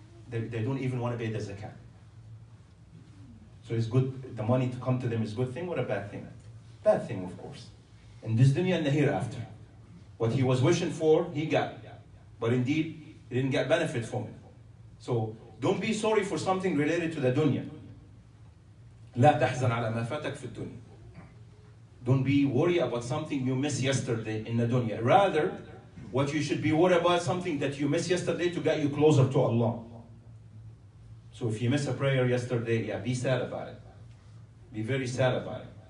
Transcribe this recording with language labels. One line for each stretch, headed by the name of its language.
English: They don't even want to pay the zakat. So it's good, the money to come to them is a good thing or a bad thing? Bad thing, of course. In this dunya and the hereafter. What he was wishing for, he got. But indeed, he didn't get benefit from it. So don't be sorry for something related to the dunya.
Arabic: لا تحزن على ما فاتك في الدنيا.
English: Don't be worried about something you missed yesterday in the dunya. Rather, what you should be worried about something that you missed yesterday to get you closer to Allah. So if you miss a prayer yesterday, yeah, be sad about it. Be very sad about it.